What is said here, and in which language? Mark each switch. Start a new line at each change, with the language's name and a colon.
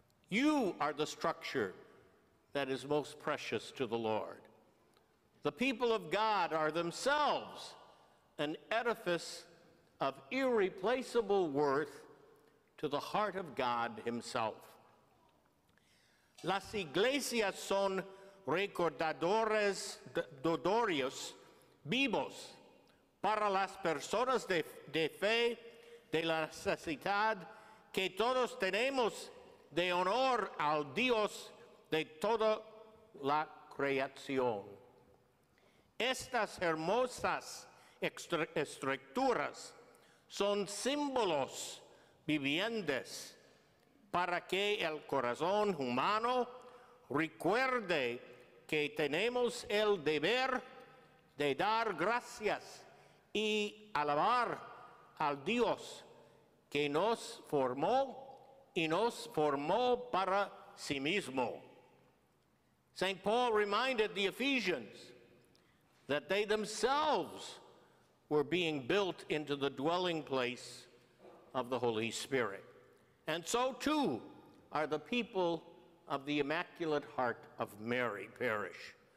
English: You are the structure that is most precious to the Lord. The people of God are themselves an edifice of irreplaceable worth to the heart of God himself.
Spanish: Las iglesias son recordadores dodorios vivos para las personas de fe, de la necesidad que todos tenemos de honor al Dios de toda la creación. Estas hermosas estructuras son símbolos vivientes para que el corazón humano recuerde que tenemos el deber de dar gracias y alabar al Dios que nos formó y nos formó para sí mismo.
English: St. Paul reminded the Ephesians that they themselves were being built into the dwelling place of the Holy Spirit. And so too are the people of the Immaculate Heart of Mary Parish.